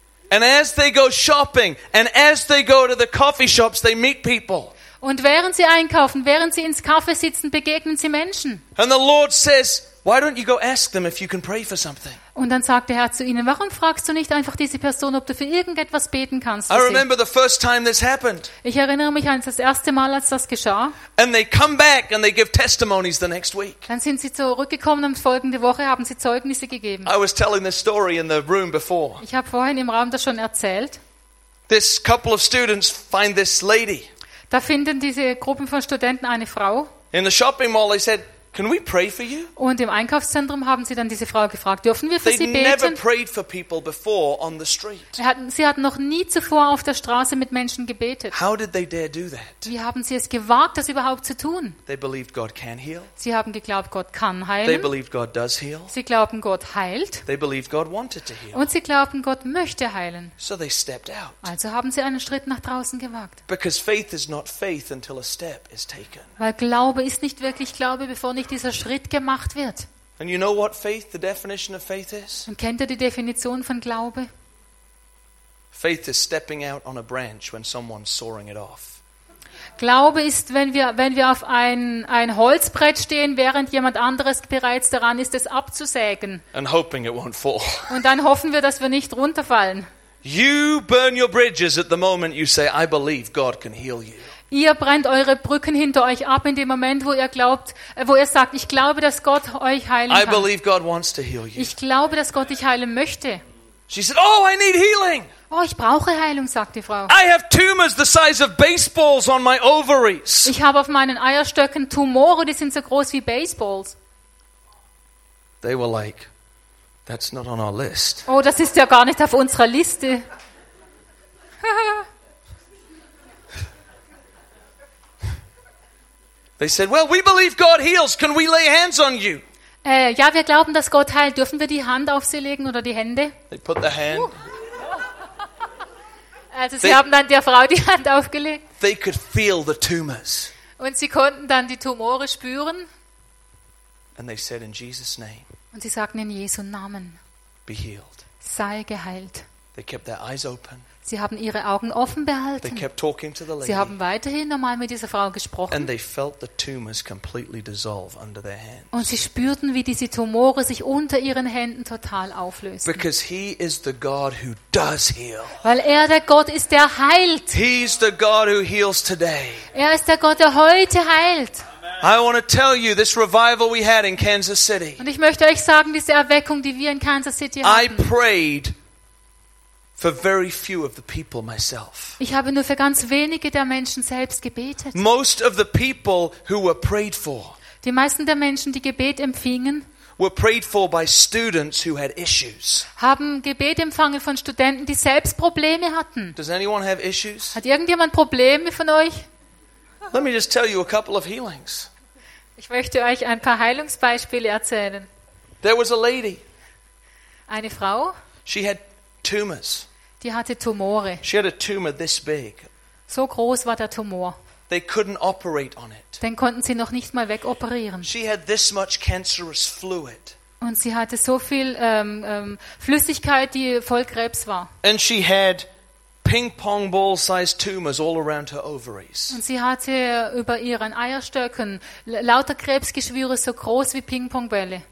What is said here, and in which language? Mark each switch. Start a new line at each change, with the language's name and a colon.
English: And as they go shopping and as they go to the coffee shops, they meet people.
German: Und während sie einkaufen, während sie ins Café sitzen, begegnen sie Menschen.
English: And the Lord says, why don't you go ask them if you can pray for something?
German: Und dann sagt der Herr zu ihnen, warum fragst du nicht einfach diese Person, ob du für irgendetwas beten kannst?
English: I remember the first time this happened.
German: Ich erinnere mich an das erste Mal, als das geschah.
English: And they come back and they give testimonies the next week.
German: Dann sind sie zurückgekommen und folgende Woche haben sie Zeugnisse gegeben.
English: I was telling this story in the room before.
German: Ich habe vorhin im Raum das schon erzählt.
English: This couple of students find this lady.
German: Da finden diese Gruppen von Studenten eine Frau.
English: In the shopping mall, they said, can we pray for you?
German: Und im Einkaufszentrum haben sie dann diese Frau gefragt, dürfen wir für sie beten?
English: They'd never prayed for people before on the street.
German: Sie hatten noch nie zuvor auf der Straße mit Menschen gebetet.
English: How did they dare do that?
German: Wie haben sie es gewagt, das überhaupt zu tun?
English: They believed God can heal.
German: Sie haben geglaubt, Gott kann heilen.
English: They believed God does heal.
German: Sie glauben, Gott heilt.
English: They believed God wanted to heal.
German: Und sie glauben, Gott möchte heilen.
English: So they stepped out.
German: Also haben sie einen Schritt nach draußen gewagt.
English: Because faith is not faith until a step is taken.
German: Weil Glaube ist nicht wirklich Glaube, bevor dieser Schritt gemacht wird.
English: And you know what faith, the definition of faith is?
German: Und kennt ihr die Definition von Glaube?
English: Faith is stepping out on a branch when someone's sawing it off.
German: Glaube ist, wenn wir auf ein Holzbrett stehen, während jemand anderes bereits daran ist, es abzusägen.
English: And hoping it won't fall.
German: Und dann hoffen wir, dass wir nicht runterfallen.
English: You burn your bridges at the moment you say, I believe God can heal you.
German: Ihr brennt eure Brücken hinter euch ab in dem Moment, wo ihr glaubt, wo ihr sagt, ich glaube, dass Gott euch heilen kann.
English: I believe God wants to heal you.
German: Ich glaube, dass Gott dich heilen möchte.
English: She said, oh, I need healing.
German: Oh, ich brauche Heilung, sagt die Frau.
English: I have tumors the size of baseballs on my ovaries.
German: Ich habe auf meinen Eierstöcken Tumore, die sind so groß wie Baseballs.
English: They were like, that's not on our list.
German: Oh, das ist ja gar nicht auf unserer Liste.
English: They said, "Well, we believe God heals. Can we lay hands on you?"
German: Ja, wir glauben, dass Gott heilt. Dürfen wir die Hand auf sie legen oder die Hände?
English: They put the hand.
German: Also sie haben dann der Frau die Hand aufgelegt.
English: They could feel the tumors.
German: Und sie konnten dann die Tumore spüren.
English: And they said in Jesus' name.
German: Und sie sagten in Jesu Namen.
English: Be healed.
German: Sei geheilt.
English: They kept their eyes open.
German: Sie haben ihre Augen offen behalten.
English: They kept talking to the lady.
German: Sie haben weiterhin normal mit dieser Frau gesprochen.
English: And they felt the tumors completely dissolve under their hands.
German: Und sie spürten, wie diese Tumore sich unter ihren Händen total auflösten.
English: Because he is the God who does heal.
German: Weil er der Gott ist, der heilt.
English: He's the God who heals today.
German: Er ist der Gott, der heute heilt.
English: I want to tell you this revival we had in Kansas City.
German: Und ich möchte euch sagen, diese Erweckung, die wir in Kansas City hatten.
English: I prayed for very few of the people myself.
German: Ich habe nur für ganz wenige der Menschen selbst gebetet.
English: Most of the people who were prayed for.
German: Die meisten der Menschen, die Gebet empfingen,
English: were prayed for by students who had issues.
German: Haben Gebet empfangen von Studenten, die selbst Probleme hatten.
English: Does anyone have issues?
German: Hat irgendjemand Probleme von euch?
English: Let me just tell you a couple of healings.
German: Ich möchte euch ein paar Heilungsbeispiele erzählen.
English: There was a lady.
German: Eine Frau.
English: She had tumors.
German: Die hatte Tumore.
English: She had a tumor this big.
German: So groß war der Tumor.
English: They couldn't operate on it.
German: Den konnten sie noch nicht mal wegoperieren.
English: She had this much cancerous fluid.
German: Und sie hatte so viel Flüssigkeit, die voll Krebs war.
English: And she had ping-pong ball-sized tumors all around her ovaries.
German: Und sie hatte über ihren Eierstöcken lauter Krebsgeschwüre so groß wie Ping-Pong-Bälle.